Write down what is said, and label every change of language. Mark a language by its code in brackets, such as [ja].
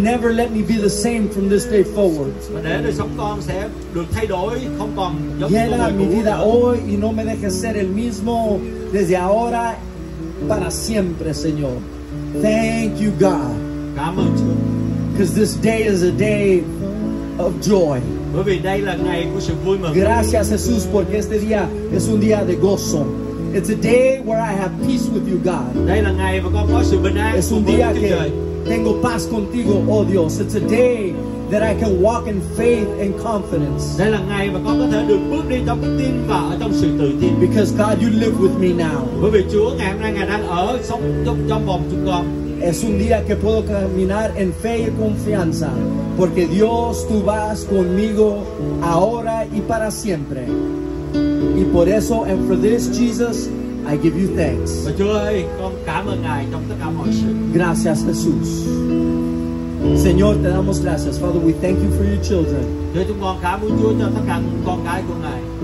[en] Never let me be the same from this day forward. [vi] Và để đời sống con sẽ được thay đổi, không còn giống như ngày cũ. [es] Llena mi vida hoy y no me dejes ser el mismo desde ahora para siempre, Señor. [en] Thank you, God. [vi] Cảm ơn Chúa. [en] Because this day is a day of joy. [vi] Bởi vì đây là ngày của sự vui mừng. [es] Gracias, Jesús, porque este día es un día de gozo. [en] It's a day where I have peace with you, God. [vi] Đây là ngày mà con có sự bình an. [es] Es un día que tengo paz contigo, oh Dios. [en] It's a day that I can walk in faith and confidence. [vi] Đây là ngày mà con có thể được bước đi trong đức tin và ở trong sự tự tin. [en] Because God, you live with me now. [vi] Bởi vì Chúa ngày hôm nay ngài đang ở sống trong vòng chúng con. [es] Es un día que puedo caminar en fe y confianza, porque Dios, tú vas conmigo ahora y para siempre. Y por eso, [en] and for this, Jesus, I give you thanks. [vi] Và Chúa ơi, con cảm ơn ngài trong tất cả mọi sự. [es] Gracias, Jesús. Señor, te damos gracias. [en] Father, we thank you for your children. [vi] Chúa, chúng con cảm ơn Chúa cho tất cả con cái của ngài.